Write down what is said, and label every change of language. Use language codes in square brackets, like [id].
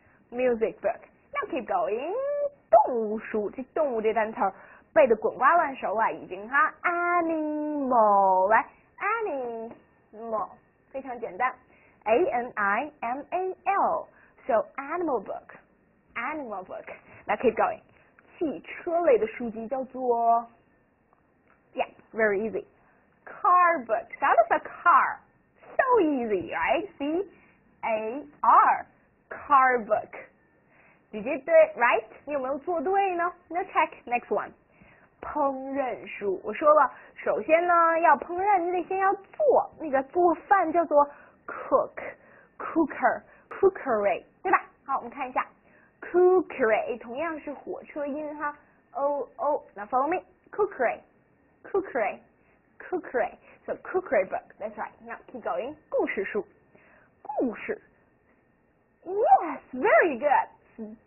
[en] now keep going, [zh] 动物书，这动物这单词背得滚瓜烂熟啊，已经哈 ，animal， 来 ，animal， 非常简单 ，A-N-I-M-A-L， [en] so animal book， [zh] 那 keep going， 汽车类的书籍叫做 [en] ，yeah， very easy， car book， how does a car， so easy， right， C-A-R， car book。 You did it, right? [zh] 你有没有做对呢 ？ [en] No check. Next one. [zh] 烹饪书，我说了，首先呢，要烹饪，你得先要做，那个做饭叫做 cook, cooker, cookery, 对吧？好，我们看一下 [en] cookery， [zh] 同样是火车音哈 [en] ，o， 那 follow me, cookery, so cookery book, that's right. Now keep going. [zh] 故事书，故事 ， [en] Yes, very good.